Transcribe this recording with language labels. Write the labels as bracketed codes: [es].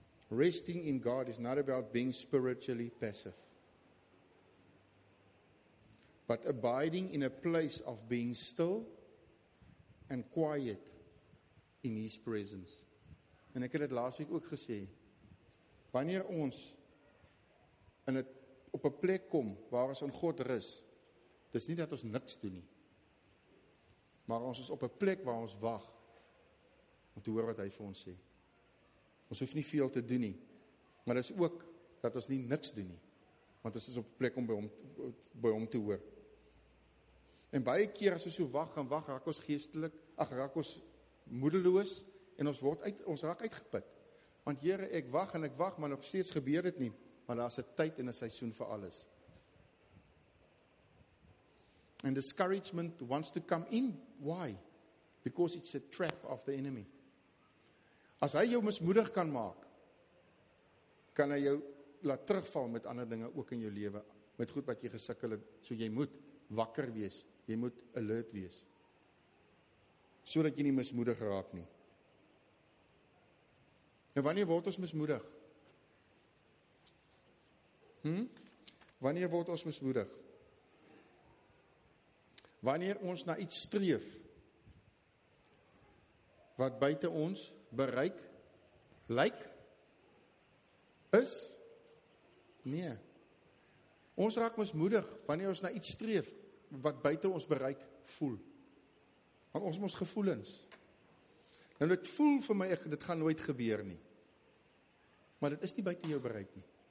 [en] Resting in God is not about being spiritually passive. But abiding in a place of being still and quiet in his presence. [af] En ek het dit laas week ook gesê, wanneer ons op 'n plek kom waar ons in God rus, dis nie dat ons niks doen nie, maar ons is op 'n plek waar ons wag om te hoor wat hy vir ons sê. Ons hoef nie veel te doen nie, maar dis ook dat ons nie niks doen nie, want ons is op 'n plek om by hom te hoor. En baie keer as ons so wag en wag, raak ons moedeloos, en ons raak uitgeput. Want Here, ek wag en ek wag, maar nog steeds gebeur dit nie. Maar daar is 'n tyd en 'n seisoen vir alles. [en] And discouragement wants to come in. Why? Because it's a trap of the enemy. [af] As hy jou mismoedig kan maak, kan hy jou laat terugval met ander dinge ook in jou lewe, met goed wat jy gesukkel het, so jy moet wakker wees, jy moet alert wees, so dat jy nie mismoedig raak nie. En wanneer word ons mismoedig? Wanneer word ons mismoedig? Wanneer ons na iets streef, wat buite ons bereik, lyk, is, nee. Ons raak mismoedig, wanneer ons na iets streef, wat buite ons bereik, voel. Want ons moet gevoelens. Nou dit voel vir my, dit gaan nooit gebeur nie. Maar dit is nie buite jou bereik nie.